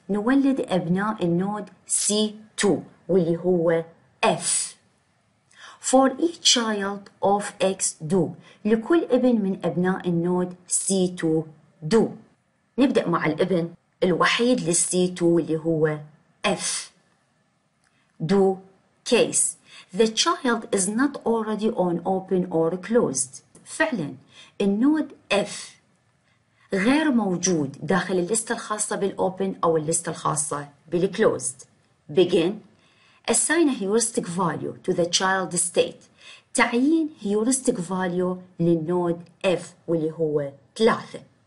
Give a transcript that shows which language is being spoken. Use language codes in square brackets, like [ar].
[ar] نولد أبناء النود C2 واللي هو F. [en] For each child of X do. [ar] لكل ابن من أبناء النود C2 do. نبدأ مع الابن الوحيد للC2 اللي هو F. [en] Do case. The child is not already on open or closed. [ar] فعلا النود F غير موجود داخل الليست الخاصة بالopen أو الليست الخاصة بالclosed. [en] Begin. Assign a heuristic value to the child state. [ar] تعيين heuristic value للنود F واللي هو 3.